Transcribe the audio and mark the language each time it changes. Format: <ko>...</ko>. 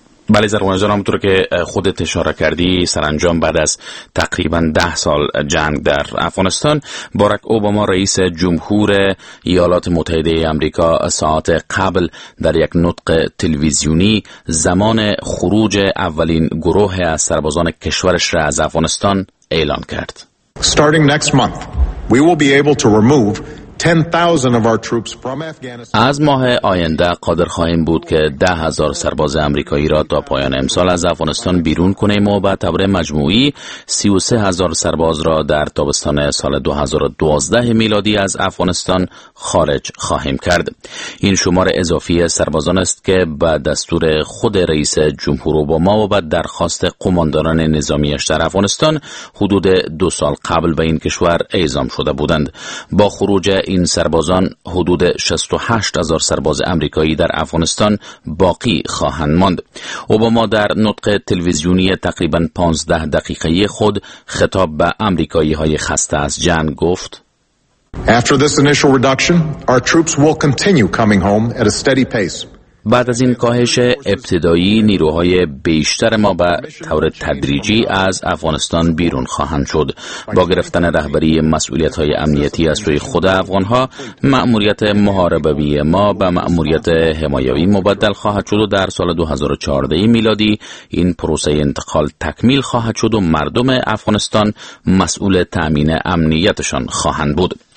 <fa>بله زروان جان، همونطور که خودت اشاره کردی، سرانجام بعد از تقریبا 10 سال جنگ در افغانستان، باراک اوباما رئیس جمهور ایالات متحده آمریکا ساعت قبل در یک نطق تلویزیونی زمان خروج اولین گروه از سربازان کشورش را از افغانستان اعلان کرد.</fa> <en>Starting next month, we will be able to remove 10,000 of our troops from Afghanistan.</en> <fa>از ماه آینده قادر خواهیم بود که 10,000 سرباز آمریکایی را تا پایان امسال از افغانستان بیرون کنیم و به طور مجموعی 33,000 سرباز را در تابستان سال 2012 میلادی از افغانستان خارج خواهیم کرد. این شمار اضافی سربازان است که به دستور خود رئیس جمهور اوباما و به درخواست قمانداران نظامیش در افغانستان حدود 2 سال قبل به این کشور اعزام شده بودند. با خروج این سربازان حدود 68,000 سرباز آمریکایی در افغانستان باقی خواهند ماند. اوباما در نطق تلویزیونی تقریبا 15 دقیقه خود خطاب به آمریکایی‌های خسته از جنگ گفت:</fa> <en>After this initial reduction, our troops will continue coming home at a steady pace.</en> <fa>بعد از این کاهش ابتدایی نیروهای بیشتر ما به طور تدریجی از افغانستان بیرون خواهند شد. با گرفتن رهبری مسئولیت‌های امنیتی از سوی خود افغان‌ها، مأموریت محاربوی ما به مأموریت حمایوی مبدل خواهد شد و در سال 2014 میلادی این پروسه انتقال تکمیل خواهد شد و مردم افغانستان مسئول تأمین امنیتشان خواهند بود.</fa>